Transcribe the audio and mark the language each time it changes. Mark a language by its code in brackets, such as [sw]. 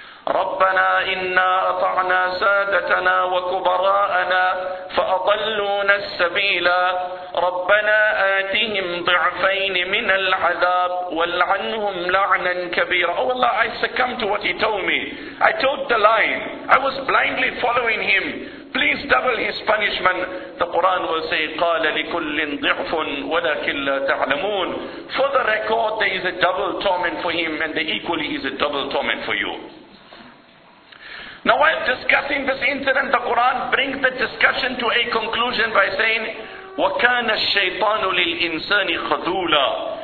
[ar] رَبَّنَا إِنَّا أَطَعْنَا سَادَتَنَا وَكُبَرَاءَنَا فَأَضَلُّونَ السَّبِيلَ رَبَّنَا آتِهِمْ ضِعْفَيْنِ مِنَ الْعَذَابِ وَالْعَنْهُمْ لَعْنًا كَبِيرًا. [en] Oh Allah, I succumbed to what he told me. I told the line. I was blindly following him. Please double his punishment. The Quran will say, [ar] قَالَ لِكُلِّنْ ضِعْفٌ وَلَكِنْ لَا تَعْلَمُونَ. [en] For the record, there is a double torment for him, and there equally is a double torment for you. Now while discussing this incident, the Quran brings the discussion to a conclusion by saying, [ar] وَكَانَ الشَّيْطَانُ لِلْإِنسَانِ خَذُولًا.